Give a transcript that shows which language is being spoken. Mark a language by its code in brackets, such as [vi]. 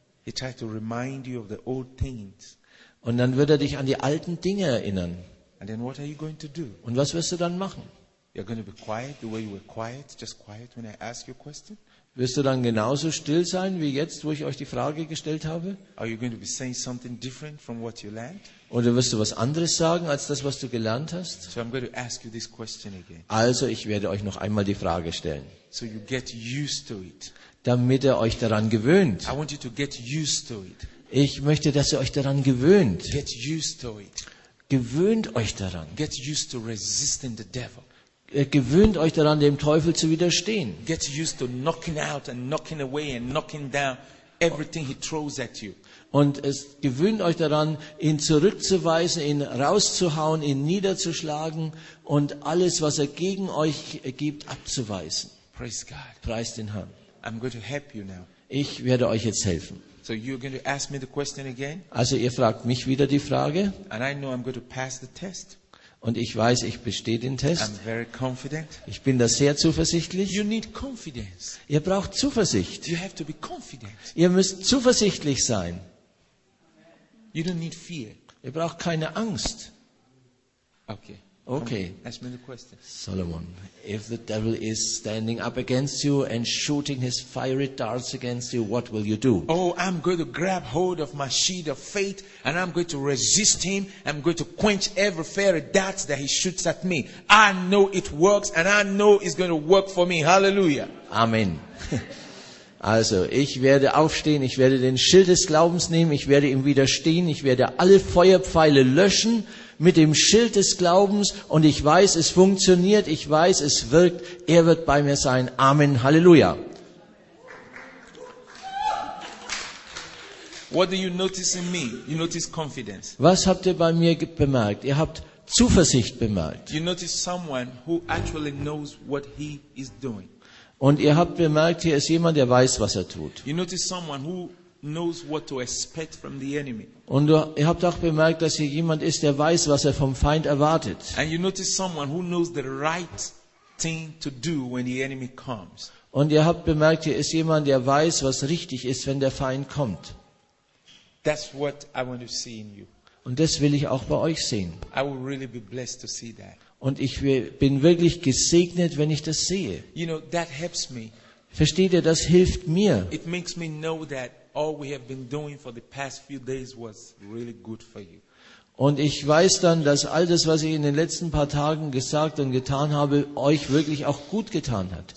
[en] He tried to remind you of the old things. [de] Und dann wird er dich an die alten Dinge erinnern. [en] And then what are you going to do? [de] Und was wirst du dann machen? [en] You're going to be quiet the way you were quiet, just quiet when I ask you a question? [de] Wirst du dann genauso still sein wie jetzt, wo ich euch die Frage gestellt habe? [en] Are you going to be saying something different from what you learned? [de] Oder wirst du was anderes sagen als das, was du gelernt hast? [en] So I'm going to ask you this question again. [de] Also, ich werde euch noch einmal die Frage stellen. [en] So you get used to it. [de] Damit ihr euch daran gewöhnt. [en] I want you to get used to it. [de] Ich möchte, dass ihr euch daran gewöhnt. [en] Get used to it. [de] Gewöhnt euch daran. [en] Get used to resisting the devil. [de] Gewöhnt euch daran, dem Teufel zu widerstehen. [en] Get used to knocking out and knocking away and knocking down everything he throws at you. [de] Und es gewöhnt euch daran, ihn zurückzuweisen, ihn rauszuhauen, ihn niederzuschlagen und alles, was er gegen euch gibt, abzuweisen. [en] Praise God. [de] Preist den Herrn. [en] I'm going to help you now. [de] Ich werde euch jetzt helfen. [en] So you're going to ask me the question again? [de] Also ihr fragt mich wieder die Frage. [en] And I know I'm going to pass the test. [de] Und ich weiß, ich bestehe den Test. [en] I'm very confident. [de] Ich bin da sehr zuversichtlich. [en] You need confidence. [de] Ihr braucht Zuversicht. [en] You have to be confident. [de] Ihr müsst zuversichtlich sein. [en] You don't need fear. [de] Ihr braucht keine Angst. [en] Okay. Okay. Ask me the question. Solomon, if the devil is standing up against you and shooting his fiery darts against you, what will you do? Oh, I'm going to grab hold of my shield of faith and I'm going to resist him. I'm going to quench every fiery dart that he shoots at me. I know it works and I know it's going to work for me. Hallelujah. Amen. [de] Also, ich werde aufstehen, ich werde den Schild des Glaubens nehmen, ich werde ihm widerstehen, ich werde alle Feuerpfeile löschen mit dem Schild des Glaubens und ich weiß, es funktioniert, ich weiß, es wirkt, er wird bei mir sein. Amen. Halleluja. [en] What do you notice in me? You notice confidence. [de] Was habt ihr bei mir bemerkt? Ihr habt Zuversicht bemerkt. [en] You notice someone who actually knows what he is doing. [de] Und ihr habt bemerkt, hier ist jemand, der weiß, was er tut. [en] You notice someone who knows what to expect from the enemy. [de] Und ihr habt auch bemerkt, dass hier jemand ist, der weiß, was er vom Feind erwartet. [en] And you notice someone who knows the right thing to do when the enemy comes. [de] Und ihr habt bemerkt, hier ist jemand, der weiß, was richtig ist, wenn der Feind kommt. [en] That's what I want to see in you. [de] Und das will ich auch bei euch sehen. [en] I will really be blessed to see that. [de] Und ich bin wirklich gesegnet, wenn ich das sehe. [en] You know, that helps me. [de] Versteht ihr, das hilft mir. [en] It makes me know that all we have been doing for the past few days was really good for you. [de] Und ich weiß dann, dass all das, was ich in den letzten paar Tagen gesagt und getan habe, euch wirklich auch gut getan hat.